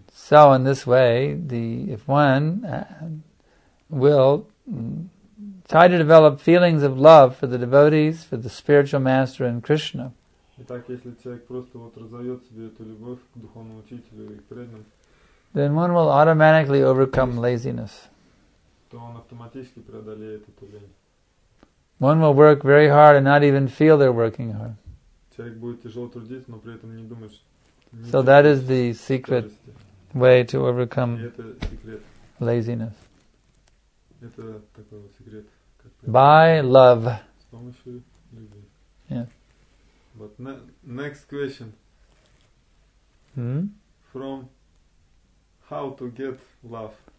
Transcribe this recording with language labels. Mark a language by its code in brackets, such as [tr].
[en] So in this way, if one will try to develop feelings of love for the devotees, for the spiritual master and Krishna, [ru] итак, если человек просто вот разовьет себе эту любовь к духовному учителю и к преданным, [en] then one will automatically overcome laziness. [ru] То он автоматически преодолеет эту лень. [en] One will work very hard and not even feel they're working hard. [ru] Человек будет тяжело трудиться, но при этом не думает, что. [en] So that is the secret way to overcome laziness. [ru] Это такой вот секрет. [en] By love. [ru] С помощью любви. [en] Yeah. But next question. From how to get love.